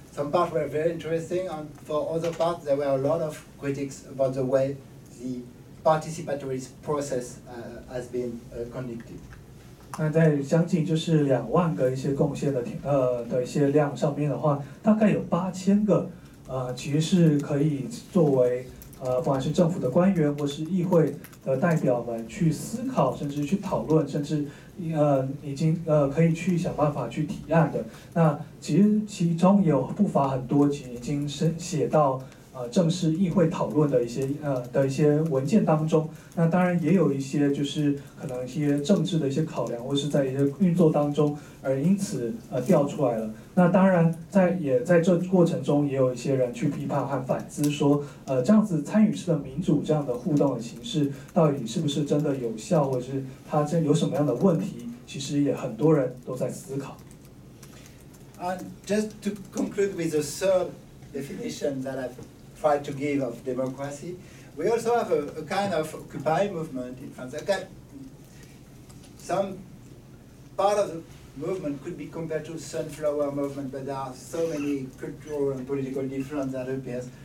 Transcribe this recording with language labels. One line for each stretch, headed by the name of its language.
English: Some parts were very interesting, and for other parts there were a lot of critics about the way the participatory process has been conducted.
Chinese: 那在将近就是20,000个一些贡献的的一些量上面的话，大概有8,000个其实是可以作为不管是政府的官员或是议会的代表们去思考，甚至去讨论，甚至已经可以去想办法去提案的。那其实其中有不乏很多其实已经是写到正式议会讨论的一些文件当中，那当然也有一些就是可能一些政治的一些考量，或是在一些运作当中而因此掉出来了。那当然在这过程中也有一些人去批判和反思说，这样子参与式的民主这样的互动的形式到底是不是真的有效，或者是它这有什么样的问题，其实也很多人都在思考。
English: Just to conclude with the third definition that I've tried to give of democracy. We also have a kind of Occupy movement in France. Some part of the movement could be compared to sunflower movement, but there are so many cultural and political differences that appears.